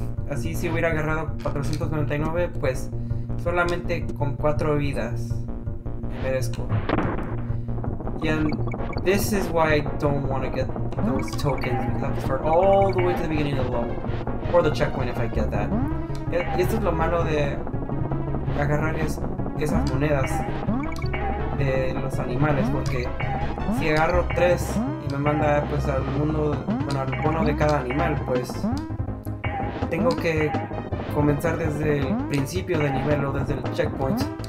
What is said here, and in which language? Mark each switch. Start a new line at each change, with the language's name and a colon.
Spanish: Así si hubiera agarrado 499, pues solamente con 4 vidas merezco.
English: And this is why I don't want to get those tokens. I have to start all the way to the beginning of the level. Or the checkpoint if I get that.
Spanish: Y esto es lo malo de agarrar esas monedas de los animales. Porque si agarro 3 y me manda pues al mundo, bueno, al bono de cada animal, pues tengo que comenzar desde el principio de nivel o desde el checkpoint.